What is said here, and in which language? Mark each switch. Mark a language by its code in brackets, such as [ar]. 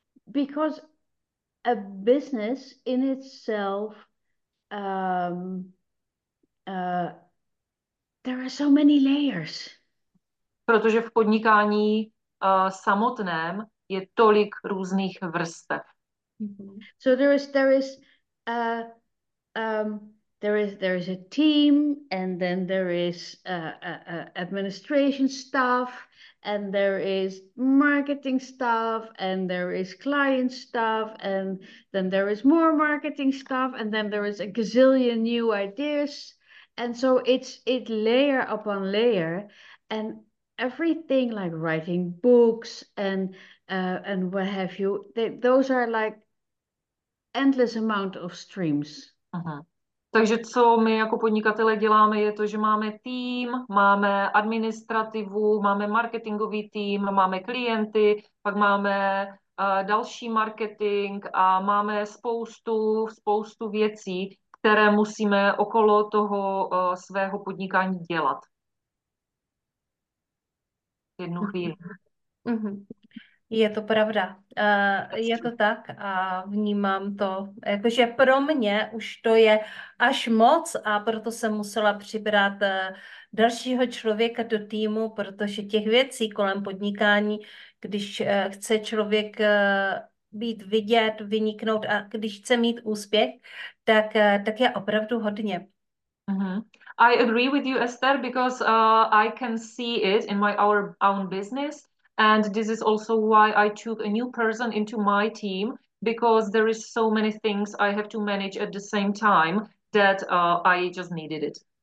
[en] Because a business in itself, there are so many layers. [cs] Protože v podnikání samotném je tolik různých vrstev. [en] So there is a team, and then there is administration staff, and there is marketing staff, and there is client staff, and then there is more marketing staff, and then there is a gazillion new ideas, and so it's layer upon layer, and everything like writing books and what have you, those are like endless amount of streams. [cs] Takže co my jako podnikatele děláme, je to, že máme tým, máme administrativu, máme marketingový tým, máme klienty, pak máme další marketing a máme spoustu věcí, které musíme okolo toho svého podnikání dělat. V jednu chvíli. Je to pravda. Je to tak a vnímám to. Jakože pro mě už to je až moc a proto jsem musela přibrat dalšího člověka do týmu, protože těch věcí kolem podnikání, když chce člověk být vidět, vyniknout a když chce mít úspěch, tak je opravdu hodně. [en] I agree with you, Esther, because I can see it in my our own business. And this is also why I took a new person into my team, because there is so many things I have to manage at the same time that I just needed it.